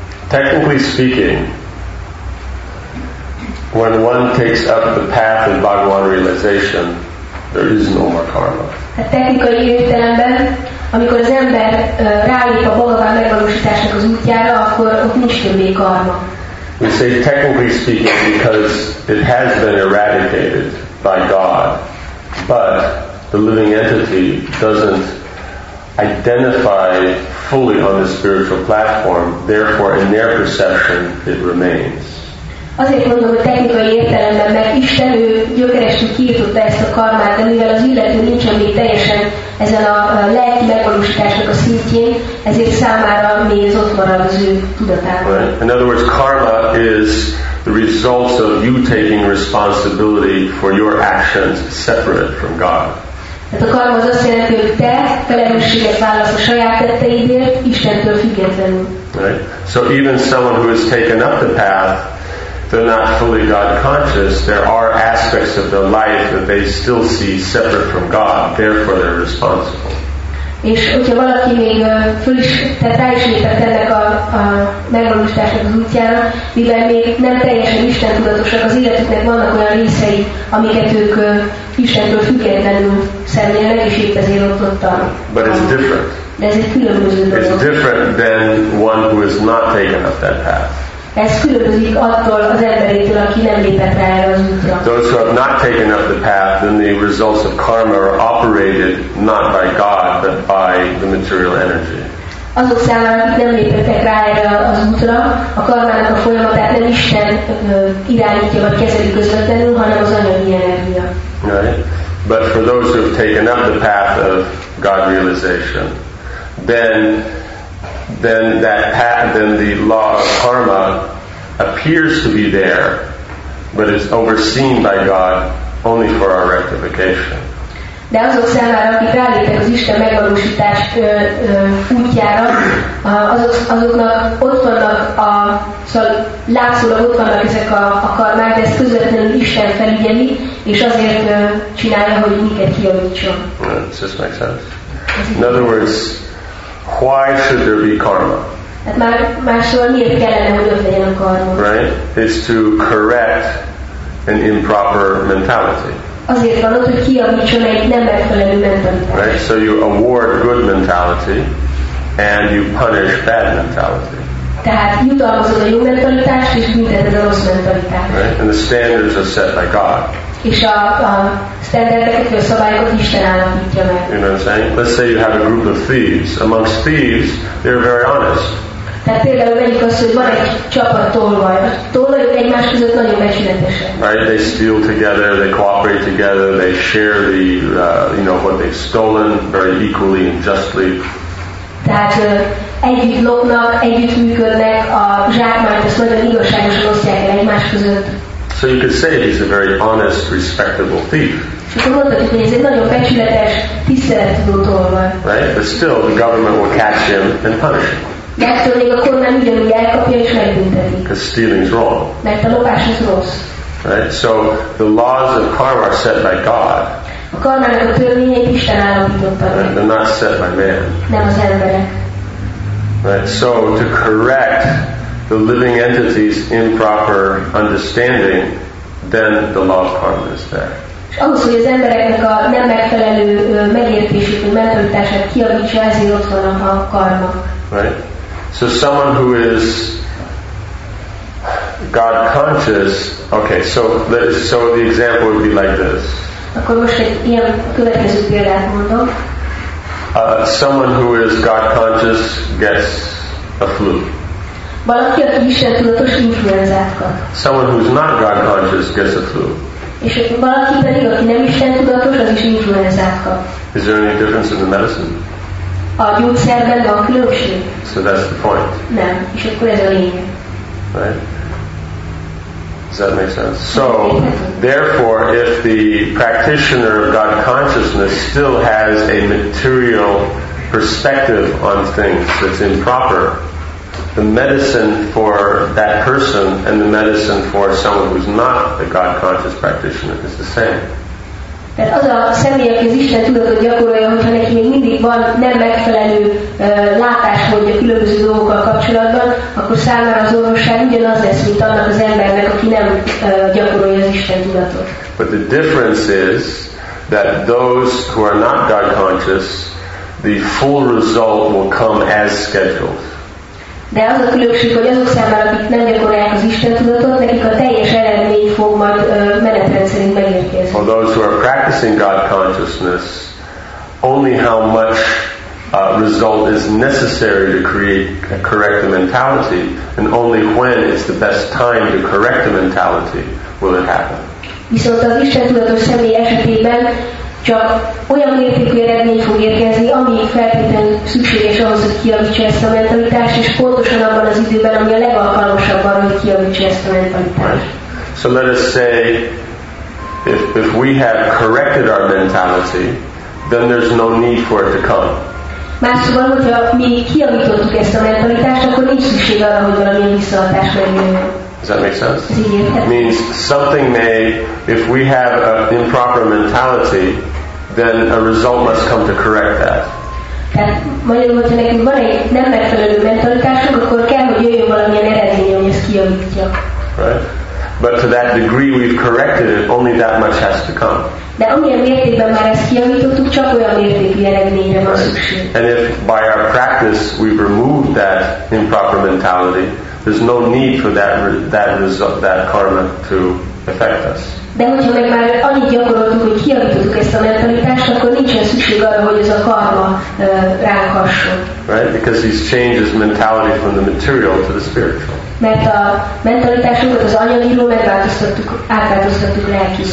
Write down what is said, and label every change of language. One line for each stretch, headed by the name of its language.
English: Technically speaking, when one takes up the path of Bhagavan realization, there is no more karma.
Hungarian: A technikai értelemben, amikor az ember rálép a Bhagavan megvalósításnak az útjára, akkor ott nincs többé karma.
English: We say technically speaking because it has been eradicated by God, but the living entity doesn't identify fully on the spiritual platform, therefore in their perception it remains.
Hungarian: Azért mondom a technikai értelemben, mert Isten ő gyökeresen kiirtotta ezt a karmát, de mivel az illető nincsen még teljesen ezen a lelki megvalósításnak a szintjén, ezért számára még ez ott marad az ő tudatában.
English: Right. In other words, karma is the results of you taking responsibility for your actions separate from God.
Hungarian: Tehát a karma az azt jelenti, hogy te felelősséget válasz a saját tetteidért, Istentől függetlenül.
English: Right. So even someone who has taken up the path, they're not fully God conscious, there are aspects of their life that they still see separate from God, therefore they're responsible.
Hungarian: És hogyha valaki még föl is, tehát rá is lépett ennek a megvalósításnak az útjára, mivel még nem teljesen Isten tudatosak, az életüknek vannak olyan részei, amiket ők Istentől függetlenül szemlélnek, és épp ezért ott
English: But it's different.
Hungarian: De ez egy különböző dolog.
English: It's different than one who has not taken up that path.
Hungarian: Ez különbözik attól az emberétől, aki nem lépett rá erre az útra.
English: Those who have not taken up the path, then the results of karma are operated not by God, but by the material energy.
Hungarian: Azok számára, akik nem lépettek rá erre az útra, a karmának a folyamatát nem Isten irányítja vagy kezeli közvetlenül, hanem az anyagi energia.
English: Right. But for those who have taken up the path of God realization, then that path, then the law of karma appears to be there, but is overseen by God only for our rectification.
Hungarian: De azok számára, akik ráléptek az Isten megvalósítás útjára, azoknak ott vannak a, szóval látszólag ott vannak ezek a karmák, de ezt közvetlenül Isten felügyeli, és azért csinálja, hogy minket kijavítson.
English: Does this make sense? In other words, why should there be karma?
Hungarian: Hát máshol miért kellene, hogy ott legyen a karma?
English: Right? It's to correct an improper mentality.
Hungarian: Azért van ott, hogy kijavítson egy nem megfelelő mentalitást.
English: Right? So you award good mentality and you punish bad mentality.
Hungarian: Tehát jutalmazod a jó mentalitást és büntetted a rossz mentalitást.
English: Right? And the standards are set by God.
Hungarian: És a standardeket, a szabályokat Isten állapítja meg.
English: You know what I'm saying? Let's say you have a group of thieves. Amongst thieves, they're very honest.
Hungarian: Tehát például vegyük azt, hogy van egy csapat tolvaj. A tolvajok egymás között nagyon becsületesek.
English: Right? They steal together, they cooperate together, they share the, you know, what they've stolen very equally and justly.
Hungarian: Tehát együtt lopnak, együtt működnek, a zsákmányt azt nagyon igazságosan osztják el egymás között.
English: So you could say he's a very honest, respectable thief. Right? But still, the government will catch him and punish him. Because stealing is wrong. Right? So the laws of karma are set by God. Right? They're not set by man. Right? So to correct the living entity's improper understanding, then the law of karma is there.
Hungarian: És ahhoz, hogy az embereknek a nem megfelelő megértését, vagy mentalitását kialakítsa, ezért ott van a karma.
English: Right? So someone who is God conscious, okay, so the example would be like this.
Hungarian: Akkor most egy ilyen következő példát mondom.
English: Someone who is God conscious gets a flu.
Hungarian: Valaki, aki Isten tudatos, influenzát kap.
English: Someone who is not God conscious gets a flu.
Hungarian: És valaki pedig, aki nem Isten tudatos, az is influenzát kap.
English: Is there any difference in the medicine?
Hungarian: A gyógyszerben van különbség.
English: So that's the point.
Hungarian: Nem. És akkor ez a lényeg.
English: Right? Does that make sense? So, therefore, if the practitioner of God consciousness still has a material perspective on things that's improper, the medicine for that person and the medicine for someone who's not a God-conscious practitioner is the same.
Hungarian: Tehát az a személy, aki az Isten tudatot gyakorolja, hogyha neki még mindig van nem megfelelő látásmódja különböző dolgokkal kapcsolatban, akkor számára az orvosság ugyanaz lesz, mint annak az embernek, aki nem gyakorolja az Isten tudatot.
English: But the difference is that those who are not God conscious, the full result will come as scheduled.
Hungarian: De az a különbség, hogy azok számára, akik nem gyakorolják az Isten tudatot, nekik a teljes eredmény fog majd menetrend szerint megérkezni.
English: For those who are practicing God consciousness, only how much result is necessary to create a correct mentality, and only when it's the best time to correct the mentality will it happen.
Hungarian: Viszont az Isten tudatos személy esetében csak olyan mértékű eredmény fog érkezni, ami feltétlenül szükséges ahhoz, hogy kijavítsa ezt a mentalitást, és pontosan abban az időben, ami a legalkalmasabb arra, hogy kijavítsa ezt a mentalitást.
English: Right. So let us say, if we have corrected our mentality, then there's no need for it to come.
Hungarian: Másszóval, hogyha mi kialakítottuk ezt a mentalitást, akkor nincs szükség arra, hogy valami visszahatás legyen.
English: Does that make sense? It means something may, if we have an improper mentality, then a result must come to correct that.
Hungarian: Tehát magyarul, hogyha nekünk van egy nem megfelelő mentalitásunk, akkor kell, hogy jöjjön valamilyen eredmény, hogy ezt kialakítja.
English: Right? But to that degree we've corrected it, only that much has to come.
Hungarian: De amilyen mértékben már ezt kijavítottuk, csak olyan mértékű eredményre van szükség.
English: And if by our practice we've removed that improper mentality, there's no need for that result, that karma to affect us.
Hungarian: De hogyha meg már annyit gyakoroltuk, hogy kijavítottuk ezt a mentalitást, akkor nincsen szükség arra, hogy ez a karma ránk hasson.
English: Right? Because he's changed his mentality from the material to the spiritual.
Hungarian: Mert a mentalitásunkat az anyagiról átváltoztattuk lelkiről.